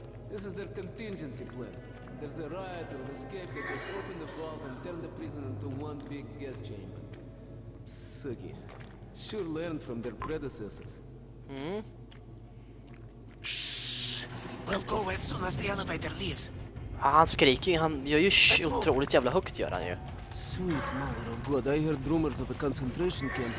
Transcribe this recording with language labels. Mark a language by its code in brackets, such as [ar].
[en] This is their contingency plan. There's a rioter who escaped. They just open the vault and turn the prison into one big gas chamber. Sugi, sure learned from their predecessors. Hmm? Shh. We'll go as soon as the elevator leaves. [sv] Ah, han skriker ju, han gör ju otroligt jävla högt gör han ju. [en] Sweet mother of God, I heard rumors of a concentration camp.